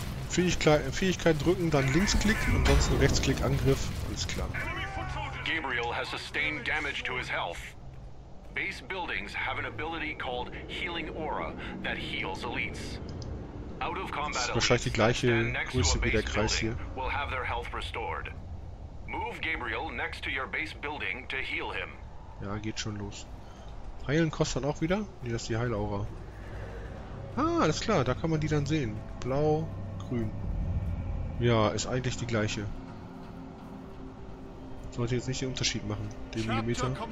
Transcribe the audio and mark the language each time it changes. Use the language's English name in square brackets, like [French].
[German] Fähigkeit drücken, dann linksklick, ansonsten rechtsklick, Angriff, alles klar. [English] Gabriel has sustained damage to his health. Base buildings have an ability called Healing Aura that heals elites. Out of combat, [German] das ist wahrscheinlich die gleiche Größe wie der Kreis hier. [English] Will have their health restored. Move Gabriel next to your base building to heal him. [German] Ja, geht schon los. Heilen kostet dann auch wieder? Nee, das ist die Heilaura. Ah, das ist klar, da kann man die dann sehen. Blau, grün. Ja, ist eigentlich die gleiche. Sollte jetzt nicht den Unterschied machen, den Millimeter.